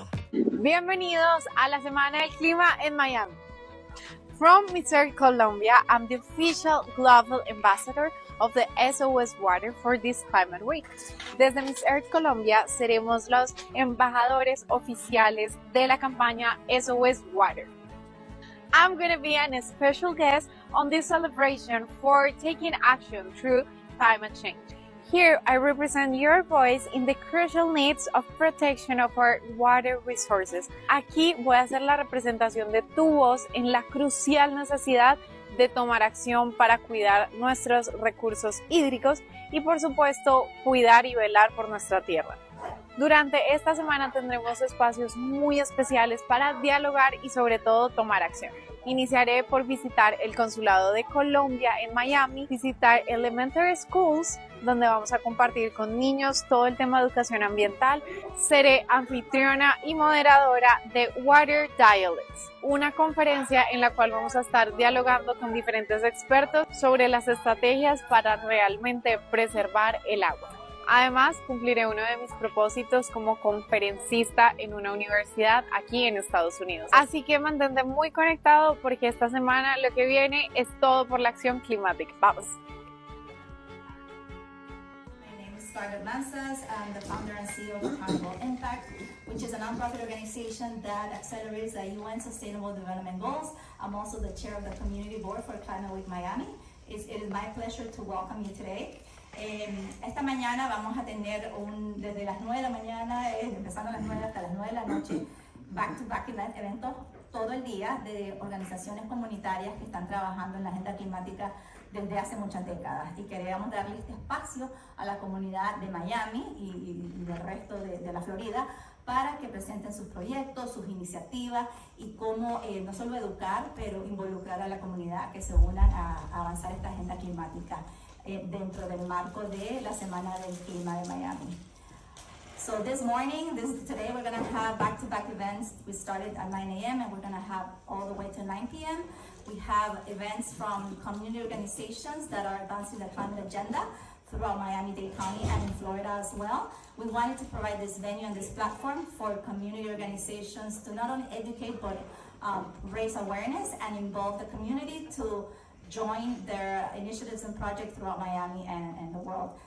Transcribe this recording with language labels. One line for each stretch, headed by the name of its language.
Spanish: Bienvenidos a la semana del clima en Miami.
English: From Mr. Colombia, I'm the official global ambassador of the SOS Water for this climate week.
Spanish: Desde Miss Earth Colombia seremos los embajadores oficiales de la campaña SOS Water.
English: I'm going to be a special guest on this celebration for taking action through climate change. Here, I represent your voice in the crucial needs of protection of our water resources.
Spanish: Aquí voy a ser la representación de tu voz en la crucial necesidad de tomar acción para cuidar nuestros recursos hídricos y, por supuesto, cuidar y velar por nuestra tierra. Durante esta semana tendremos espacios muy especiales para dialogar y, sobre todo, tomar acción. Iniciaré por visitar el Consulado de Colombia en Miami, visitar
English: Elementary Schools,
Spanish: donde vamos a compartir con niños todo el tema de educación ambiental. Seré anfitriona y moderadora de Water Dialogues, una conferencia en la cual vamos a estar dialogando con diferentes expertos sobre las estrategias para realmente preservar el agua. Además, cumpliré uno de mis propósitos como conferencista en una universidad aquí en Estados Unidos. Así que mantente muy conectado porque esta semana lo que viene es todo por la acción climática. ¡Vamos! Scarlett Mansas.
English: I'm the founder and CEO of Harmful Impact, which is a nonprofit organization that accelerates the UN Sustainable Development Goals. I'm also the chair of the Community Board for Climate Week Miami. It is my pleasure to welcome you today.
Spanish: Esta mañana vamos a tener desde las 9 de la mañana, empezando a las 9 hasta las 9 de la noche,
English: back-to-back event,
Spanish: eventos todo el día de organizaciones comunitarias que están trabajando en la agenda climática desde hace muchas décadas, y queríamos darle este espacio a la comunidad de Miami y del resto de la Florida para que presenten sus proyectos, sus iniciativas y cómo no solo educar, pero involucrar a la comunidad que se unan a avanzar esta agenda climática dentro del marco de la Semana del Clima de Miami.
English: So this morning, today we're going to have back-to-back events. We started at 9 a.m. and we're going to have all the way to 9 p.m. We have events from community organizations that are advancing the climate agenda throughout Miami-Dade County and in Florida as well. We wanted to provide this venue and this platform for community organizations to not only educate but raise awareness and involve the community to join their initiatives and projects throughout Miami and the world.